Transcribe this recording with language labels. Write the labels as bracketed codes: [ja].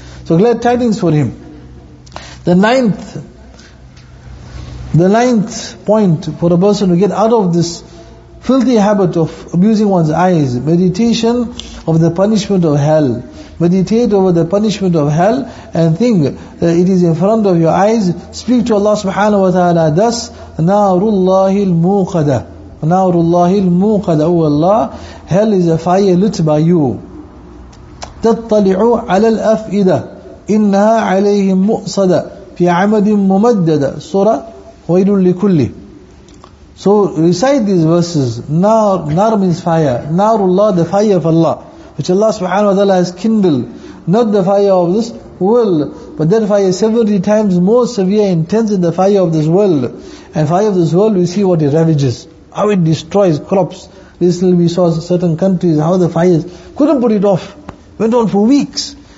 [en] So glad tidings for him. The ninth point for a person to get out of this filthy habit of abusing one's eyes, meditation of the punishment of hell. meditate over the punishment of hell and think that it is in front of your eyes, speak to Allah subhanahu wa ta'ala thus, [ar] نَارُ اللَّهِ نَارُ اللَّهِ الْمُوْقَدَةِ [en] Oh Allah, hell is a fire lit by you. [ar] تَطَّلِعُ عَلَى الْأَفْئِدَةِ إِنَّهَا عَلَيْهِمْ مُؤْصَدَةِ فِي عَمَدٍ مُمَدَّدَةِ Surah وَيْلٌ لِكُلِّ [en] So recite these verses. Nar, nar means fire. Narullah, the fire of Allah, which Allah subhanahu wa ta'ala has kindled. Not the fire of this world, but that fire is 70 times more severe, intense than the fire of this world. And fire of this world, we see what it ravages, how it destroys crops. Recently we saw certain countries, how the fires couldn't put it off. Went on for weeks.